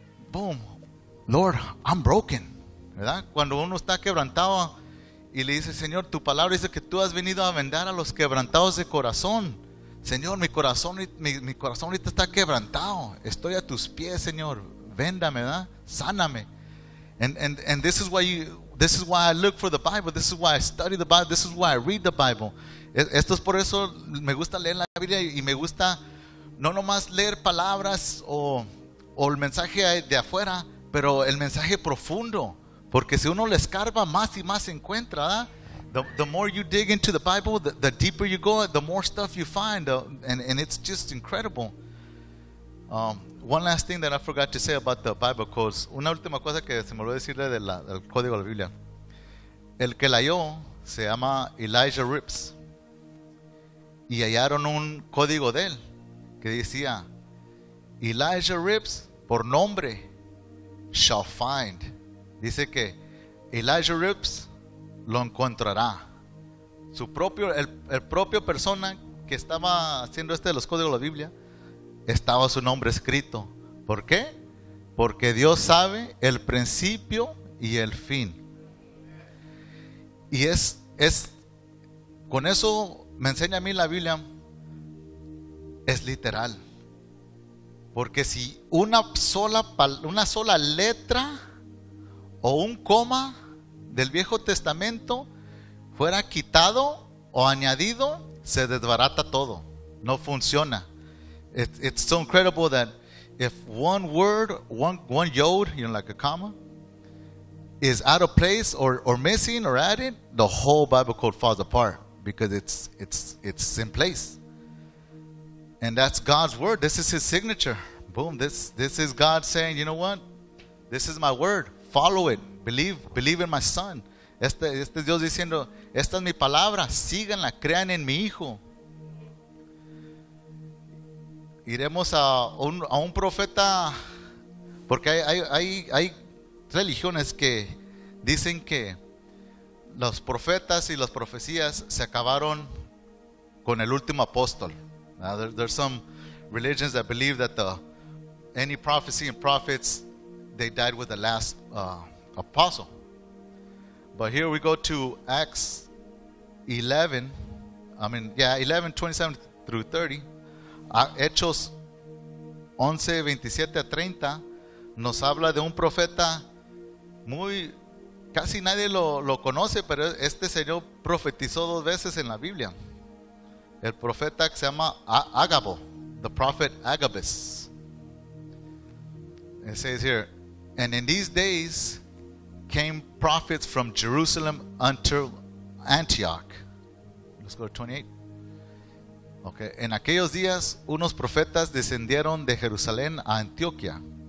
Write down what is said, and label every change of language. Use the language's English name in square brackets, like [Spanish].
[English] Boom, Lord, I'm broken. [Spanish] ¿Verdad? Cuando uno está quebrantado y le dice, Señor, tu palabra dice que tú has venido a vendar a los quebrantados de corazón. Señor, mi corazón ahorita está quebrantado. Estoy a tus pies, Señor. Véndame, ¿verdad? Sáname. [English] And this is why I look for the Bible. This is why I study the Bible. This is why I read the Bible. [Spanish] Esto es por eso me gusta leer la Biblia y me gusta no nomás leer palabras o el mensaje de afuera, pero el mensaje profundo. Porque si uno le escarba, más y más encuentra, ¿verdad? [English] The more you dig into the Bible, the deeper you go, the more stuff you find. And it's just incredible. One last thing that I forgot to say about the Bible quotes. [Spanish] Una última cosa que se me olvidó decirle del código de la Biblia. El que la halló se llama Elijah Rips. Y hallaron un código de él que decía, Elijah Rips, por nombre, [English] shall find. [Spanish] Dice que Elijah Rips lo encontrará. Su propio, el propio persona que estaba haciendo este de los códigos de la Biblia, estaba su nombre escrito. ¿Por qué? Porque Dios sabe el principio y el fin. Y es con eso me enseña a mí la Biblia, es literal. Porque si una sola letra o un coma del Viejo Testamento fuera quitado o añadido, se desbarata todo, no funciona. [English] It's so incredible that if one word, one yod, you know, like a comma, is out of place or missing or added, the whole Bible code falls apart because it's in place. And that's God's word. This is His signature. Boom. This is God saying, you know what? This is my word. Follow it. Believe in my son. [Spanish] Este Dios diciendo, esta es mi palabra, síganla, crean en mi hijo. Iremos a un profeta, porque hay religiones que dicen que los profetas y las profecías se acabaron con el último apóstol. [English] Now, there's some religions that believe that any prophecy and prophets, they died with the last apostle. But here we go to Acts 11. I mean, yeah, 11, 27 through 30. [Spanish] Hechos 11, 27 a 30. Nos habla de un profeta muy, casi nadie lo conoce, pero este señor profetizó dos veces en la Biblia. El profeta que se llama Agabo, [English] the prophet Agabus. It says here, and in these days came prophets from Jerusalem unto Antioch. Let's go to 28. Okay. [Spanish] En aquellos días, unos profetas descendieron de Jerusalén a Antioquía.